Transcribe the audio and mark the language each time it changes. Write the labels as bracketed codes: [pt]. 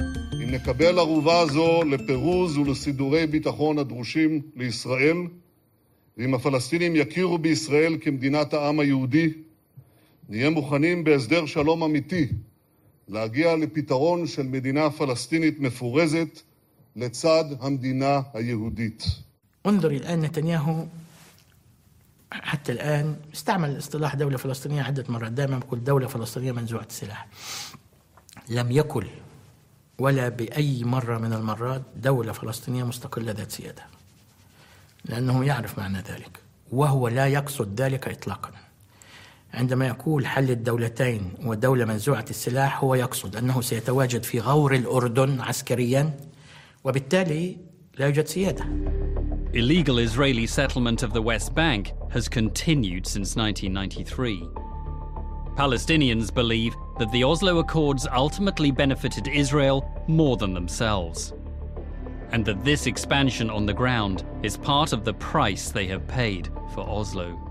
[he] לקבל ערובה זו לפירוז ולסידורי ביטחון הדרושים לישראל, ואם הפלסטינים יכירו בישראל כמדינת העם היהודי, נהיה מוכנים בהסדר שלום אמיתי להגיע לפתרון של מדינה פלסטינית מפורזת לצד המדינה היהודית. [ar] انظر الآن נתניהו حتى الآن استعمل الاصطلاح دولة فلسطينية عدة مرات، دائما كل دولة فلسطينية منزوعة السلاح. لم يكن ولا بأي مرة من المرات دولة فلسطينية مستقلة ذات سيادة، لأنه يعرف معنى ذلك وهو لا يقصد ذلك إطلاقا. عندما يقول حل الدولتين ودولة منزوعة السلاح، هو يقصد أنه سيتواجد في غور الأردن عسكريا وبالتالي لا يوجد سيادة. [en] Illegal Israeli settlement of the West Bank has continued since 1993. Palestinians believe that the Oslo Accords ultimately benefited Israel more than themselves, and that this expansion on the ground is part of the price they have paid for Oslo.